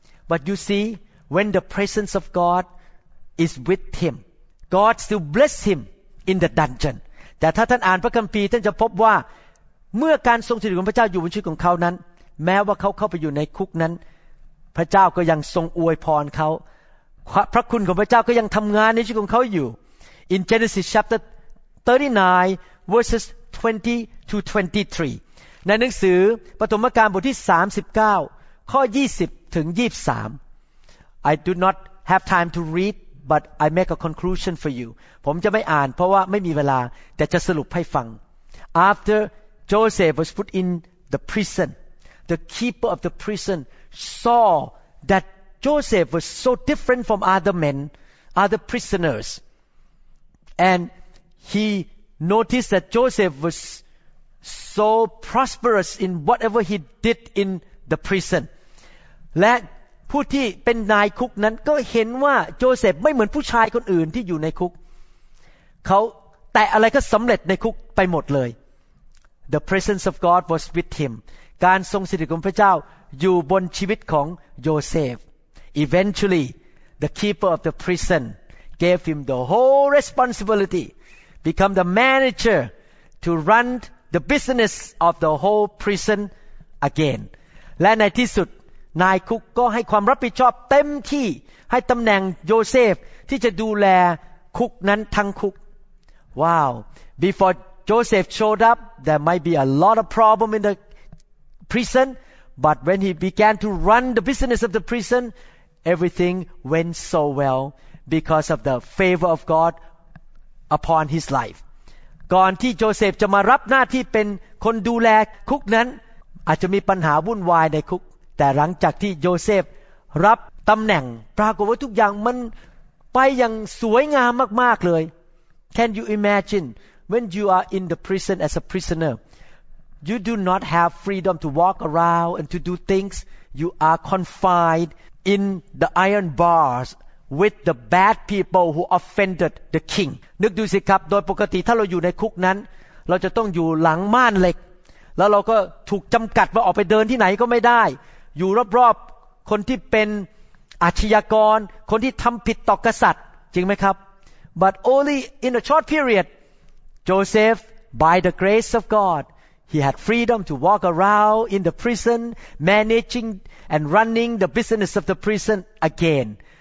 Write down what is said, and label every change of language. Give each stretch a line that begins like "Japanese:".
English: But you see when the presence of God is with him God still bless him in the dungeon
Thai: แต่ถ้าท่านอ่านพระคัมภีร์ท่านจะพบว่าเมื่อการทรงสถิตของพระเจ้าอยู่บนชีวิตของเขานั้นแม้ว่าเขาเข้าไปอยู่ในคุกนั้นพระเจ้าก็ยังทรงอวยพรเขาพระคุณของพระเจ้าก็ยังทำงานในชีวิตของเขาอยู่
English: In Genesis chapter 39 verses 20 to 23
Thai: ในหนังสือปฐมกาลบทที่39ข้อ20ถึง23
English: I do not have time to read but I make a conclusion for you
Thai: ผมจะไม่อ่านเพราะว่าไม่มีเวลาแต่จะสรุปให้ฟัง
English: After Joseph was put in the prison the keeper of the prison saw that Joseph was so different from other men other prisoners and he noticed that Joseph wasso prosperous in whatever he did in the prison
Thai: และผู้ที่เป็นนายคุกนั้นก็เห็นว่าโจเซฟไม่เหมือนผู้ชายคนอื่นที่อยู่ในคุกเขาแต่อะไรก็สำเร็จในคุกไปหมดเลย
English: the presence of God was with him
Thai: การทรงสถิตของพระเจ้าอยู่บนชีวิตของโยเซฟ
English: eventually the keeper of the prison gave him the whole responsibility become the manager to runThe business of the whole prison again.
Thai: และในที่สุดนายคุกก็ให้ความรับผิดชอบเต็มที่ให้ตำแหน่งโยเซฟที่จะดูแลคุกนั้นทั้งคุก
English: Wow. Before Joseph showed up, there might be a lot of problem in the prison, but when he began to run the business of the prison, everything went so well because of the favor of God upon his life.
Thai: ก่อนที่โจเซฟจะมารับหน้าที่เป็นคนดูแลคุกนั้นอาจจะมีปัญหาวุ่นวายในคุกแต่หลังจากที่โยเซฟรับตำแหน่งปรากฏว่าทุกอย่างมันไปอย่างสวยงามมากๆเลย
English: Can you imagine when you are in the prison as a prisoner? You do not have freedom to walk around and to do things. You are confined in the iron bars with the bad people who offended the king.
Thai: นึกดูสิครับโดยปกติถ้าเราอยู่ในคุกนั้นเราจะต้องอยู่หลังม่านเหล็กแล้วเราก็ถูกจำกัดว่าออกไปเดินที่ไหนก็ไม่ได้อยู่รอบๆคนที่เป็นอาชญากรคนที่ทำผิดต่อกษัตริย์จริงไหมครับ
English: But only in a short period, Joseph, by the grace of God, he had freedom to walk around in the prison, managing and running the business of the prison again.